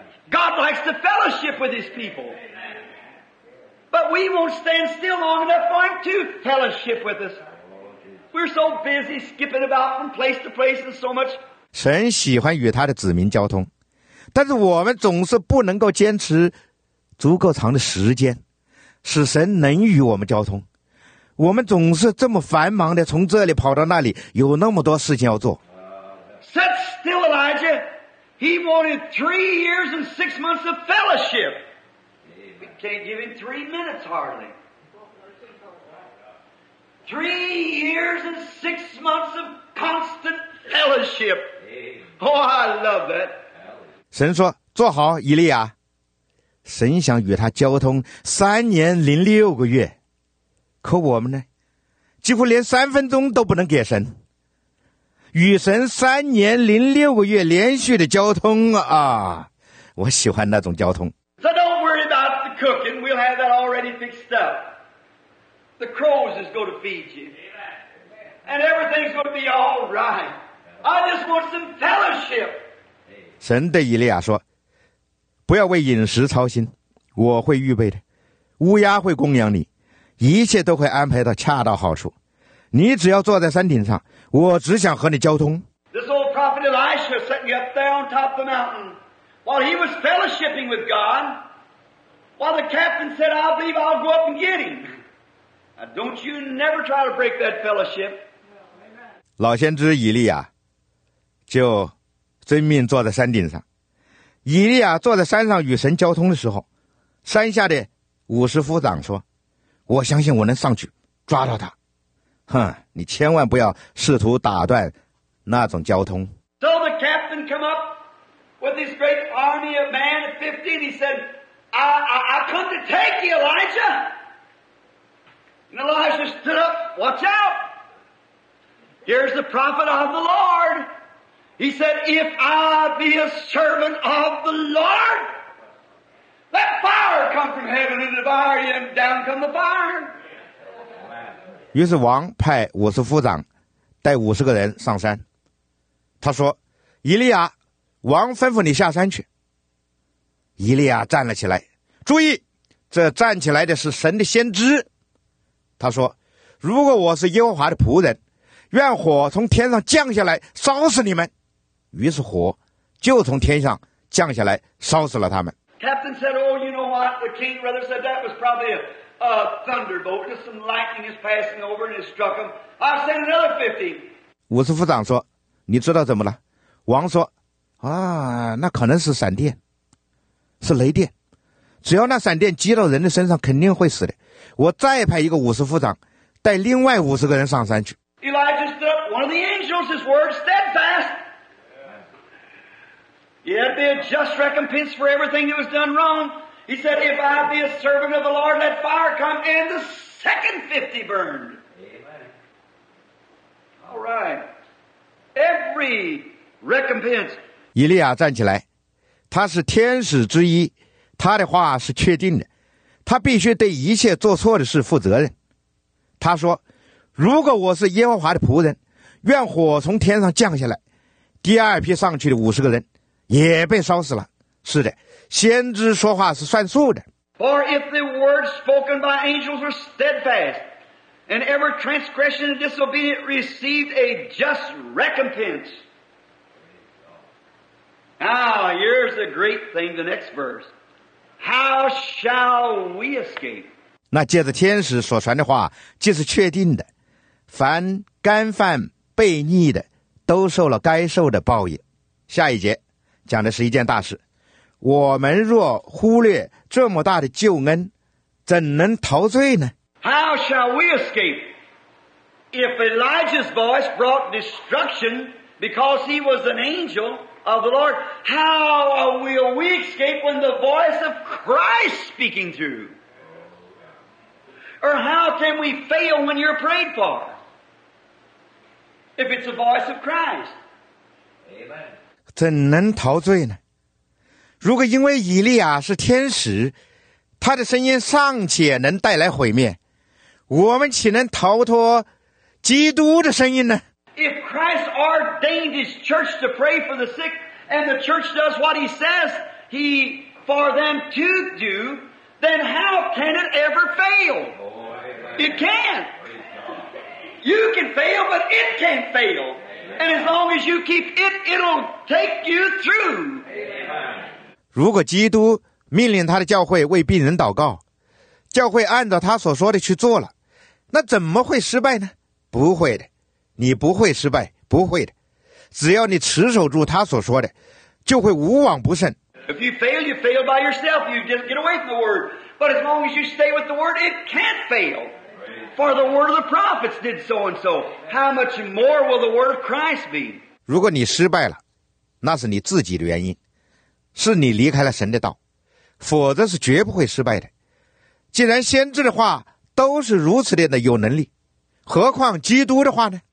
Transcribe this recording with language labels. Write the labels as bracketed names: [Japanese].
[English] God likes to fellowship with his people. But we won't stand still long enough for him to fellowship with us. We're so busy skipping about from place to place and so much. [Chinese] 神喜欢与他的子民交通，但是我们总是不能够坚持足够长的时间使神能与我们交通。我们总是这么繁忙的从这里跑到那里，有那么多事情要做。 [English] Sit still, Elijah. He wanted 3 years and 6 months of fellowship. We can't give him 3 minutes hardly. 3 years and 6 months of constant fellowship. Oh, I love that. [Chinese] 神说，坐好，以利亚。神想与他交通3年零6个月，可我们呢，几乎连3分钟都不能给神。与神3年零6个月连续的交通啊，我喜欢那种交通。 [English] So don't worry about the cooking, we'll have that already fixed up. The crows is going to feed you. And everything's going to be all right. I just want some fellowship. [Chinese] 神对以利亚说，不要为饮食操心，我会预备的，乌鸦会供养你，一切都会安排到恰到好处。你只要坐在山顶上，我只想和你交通。 [English] This old prophet Elisha sitting up there on top of the mountain, while he was fellowshipping with God, while the captain said, I believe I'll go up and get him. Now don't you never try to break that fellowship. [Chinese] 老先知以利亚就遵命坐在山顶上。以利亚坐在山上与神交通的时候，山下的50夫长说，我相信我能上去抓到他。哼，你千万不要试图打断那种交通。 [English] So the captain come up with his great army of man of 50 and he said, I come to take you, Elijah. And Elijah stood up, watch out. Here's the prophet of the Lord. He said, if I be a servant of the Lord, let fire come from heaven and devour you, and down come the fire. [Chinese] 于是王派50夫长带50个人上山，他说，以利亚，王吩咐你下山去。以利亚站了起来，注意，这站起来的是神的先知。他说，如果我是耶和华的仆人，愿火从天上降下来烧死你们。于是火就从天上降下来烧死了他们。 [English] Captain said, oh, you know what? The king rather said that was probably a thunderbolt. Just some lightning is passing over and it struck him. I'll send another 50. [Chinese] 五十副长说，你知道怎么了？王说，啊，那可能是闪电，是雷电，只要那闪电击到人的身上肯定会死的。我再派一个50夫长带另外50个人上山去。 [English] Elijah stood up, one of the angels, his word steadfast. Yeah, it'd be a just recompense for everything that was done wrong. He said, if I be a servant of the Lord, let fire come, and the second 50 burned. Amen. All right. Every recompense. [Chinese] 以利亚站起来，他是天使之一，他的话是确定的，他必须对一切做错的事负责任。他说，如果我是耶和华的仆人，愿火从天上降下来，第二批上去的50个人也被烧死了。是的，先知说话是算数的。 [English] For if the words spoken by angels were steadfast, and every transgression and disobedience received a just recompense. Now, here's the great thing, the next verse. How shall we escape? [Chinese] 那借着天使所传的话既是确定的，凡干犯悖逆的都受了该受的报应。下一节讲的是一件大事，我们若忽略这么大的救恩，怎能陶醉呢？ [English] How shall we escape if Elijah's voice brought destruction because he was an angel of the Lord? How will we escape when the voice of Christ speaking through? Or how can we fail when you're prayed for if it's the voice of Christ? Amen. [Chinese] 怎能陶醉呢？如果因为以利亚是天使，他的声音尚且能带来毁灭，我们岂能逃脱基督的声音呢？ [English] If Christ ordained his church to pray for the sick, and the church does what he says he for them to do, then how can it ever fail? It can't. You can fail, but it can't fail. And as long as you keep it, it'll take you through. Amen. [Chinese] 如果基督命令他的教会为病人祷告，教会按照他所说的去做了，那怎么会失败呢？不会的，你不会失败，不会的。只要你持守住他所说的，就会无往不胜。 [English] If you fail, you fail by yourself. You just get away from the word. But as long as you stay with the word, it can't fail. For the word of the prophets did so and so. How much more will the word of Christ be? [Chinese] 如果你失败了，那是你自己的原因。是你离开了神的道，否则是绝不会失败的。既然先知的话都是如此的有能力，何况基督的话呢？